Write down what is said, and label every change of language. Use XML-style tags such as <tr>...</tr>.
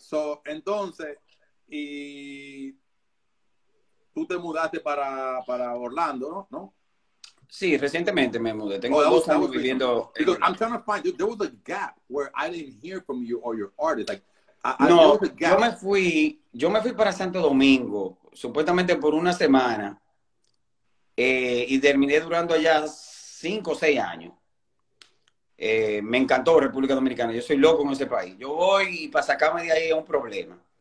<es>So, entonces, y tú te mudaste para Orlando, ¿no? Sí, recientemente me mudé. Tengo dos años viviendo.</es> <en>Because I'm trying to find, there was a gap where I didn't hear from you or your artist. Like, no, there was a gap.</en> <es>Yo me fui para Santo Domingo, supuestamente por una semana, y terminé durando allá 5 o 6 años. Me encantó República Dominicana. Yo soy loco en ese país. Yo voy y para sacarme de ahí es un problema.</es>